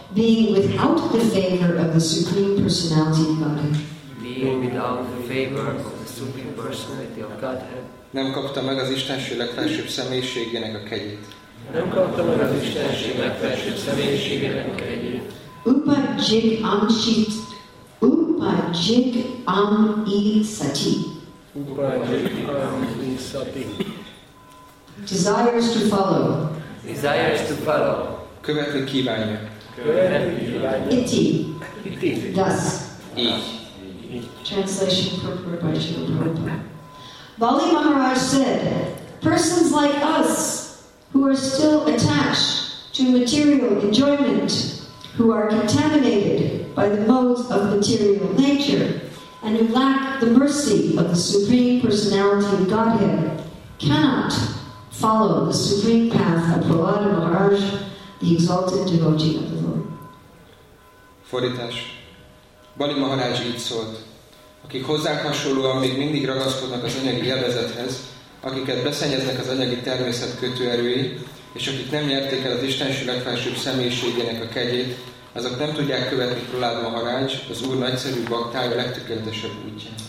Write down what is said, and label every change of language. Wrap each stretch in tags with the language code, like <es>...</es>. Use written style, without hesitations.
<en>Being without the favor of the Supreme Personality of Godhead. Being without the favor of the Supreme Personality of Godhead.</en> <hu>Nem kapta meg az Istenség legfelsőbb személyiségének a kegyét. Nem kapta meg az Istenség legfelsőbb személyiségének a kegyét. Upajig amsit. Upajig am isati.</hu> <en>Desires to follow. Desires to follow.</en> <hu>Követni kívánja.</hu> <sa>Iti. Iti.</sa> <en>Thus. I. Translation for Srila Prabhupada. Bali Maharaj said, persons like us, who are still attached to material enjoyment, who are contaminated by the modes of material nature, and who lack the mercy of the Supreme Personality of Godhead, cannot follow the supreme path of Prahlada Maharaj, the exalted devotee of the Lord.</en> <hu>Fordítás. Bali Maharaj így szólt. Akik hozzánk hasonlóan még mindig ragaszkodnak az anyagi élvezethez, akiket beszennyeznek az anyagi természet kötőerői, és akik nem nyerték el az Istenség legfelsőbb személyiségének a kegyét, azok nem tudják követni Prahlada Maharaj, az Úr nagyszerű baktája legtökéletesebb útján.</hu>